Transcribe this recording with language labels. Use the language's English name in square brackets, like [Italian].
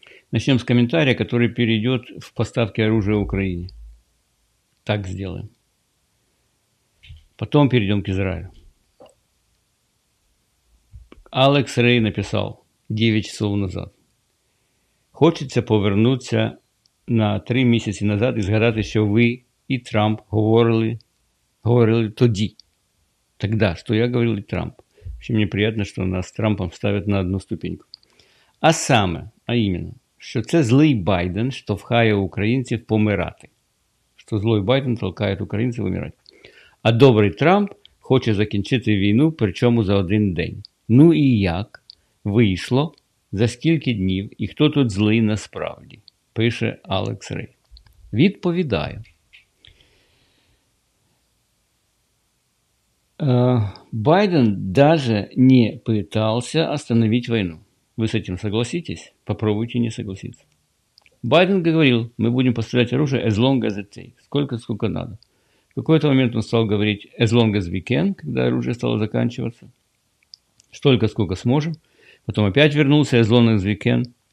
[Russian] Начнем с комментария, который перейдет в поставки оружия Украине. Так сделаем. Потом перейдем к Израилю. Алекс Рей написал 9 часов назад. [Ukrainian] Хочеться повернутися на 3 місяці назад і згадати, що ви і Трамп говорили тоді. Тогда, що я говорив і Трамп. Вообще, мені приємно, що нас з Трампом ставлять на одну ступеньку. А саме, а іменно, що це злий Байден, що вхає українців помирати. Що злий Байден толкає українців помирати. А добрий Трамп хоче закінчити війну, причому за один день. Ну і як? Вийшло? За скільки днів? І хто тут злий насправді? Пише Алекс Рей. Відповідаю. [Russian] Байден даже не пытался остановить войну. Вы с этим согласитесь? Попробуйте не согласиться. Байден говорил, мы будем поставлять оружие [English] as long as it takes. [Russian] Сколько надо. В какой-то момент он стал говорить [English] as long as we can, [Russian] когда оружие стало заканчиваться. Столько, сколько сможем. Потом опять вернулся [English] as long as we can.